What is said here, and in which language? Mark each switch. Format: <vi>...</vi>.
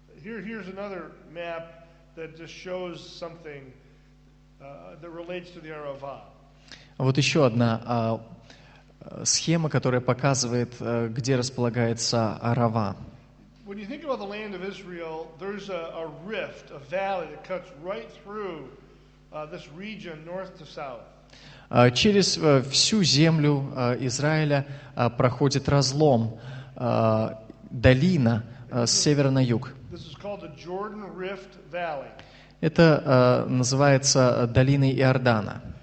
<en>And here's another map that just shows something that relates to the арава.</en> <ru>Вот еще одна схема, которая показывает, где располагается Арава.</ru> <en>When you think about the land of Israel, there's a rift, a valley that cuts right through this region north to south.</en> <ru>Через всю землю Израиля проходит разлом, долина с севера на юг.</ru> <en>This is called the Jordan Rift Valley.</en> <ru>Это называется долиной Иордана.</ru>